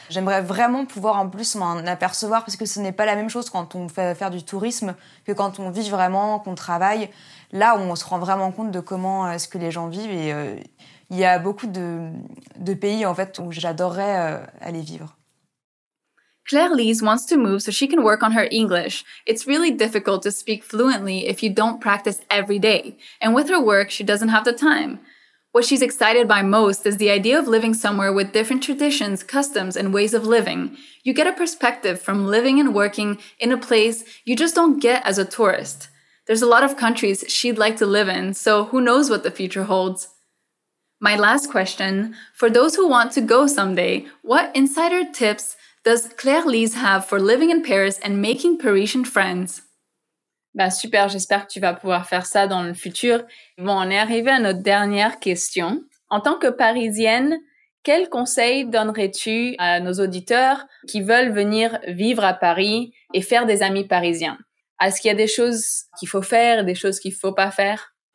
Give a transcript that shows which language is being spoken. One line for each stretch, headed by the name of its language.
French: J'aimerais vraiment pouvoir en plus m'en apercevoir, parce que ce n'est pas la même chose quand on fait faire du tourisme que quand on vit vraiment, qu'on travaille. Là, où on se rend vraiment compte de comment est-ce que les gens vivent. Et il y a beaucoup de pays, en fait, où j'adorerais aller vivre.
English: Claire-Lise wants to move so she can work on her English. It's really difficult to speak fluently if you don't practice every day. And with her work, she doesn't have the time. What she's excited by most is the idea of living somewhere with different traditions, customs, and ways of living. You get a perspective from living and working in a place you just don't get as a tourist. There's a lot of countries she'd like to live in, so who knows what the future holds. My last question, for those who want to go someday, what insider tips does Claire-Lise have for living in Paris and making Parisian friends?
French: Bah super, j'espère que tu vas pouvoir faire ça dans le futur. Bon, on est arrivé à notre dernière question. En tant que Parisienne, quel conseil donnerais-tu à nos auditeurs qui veulent venir vivre à Paris et faire des amis parisiens? Est-ce qu'il y a des choses qu'il faut faire, des choses qu'il ne faut pas faire?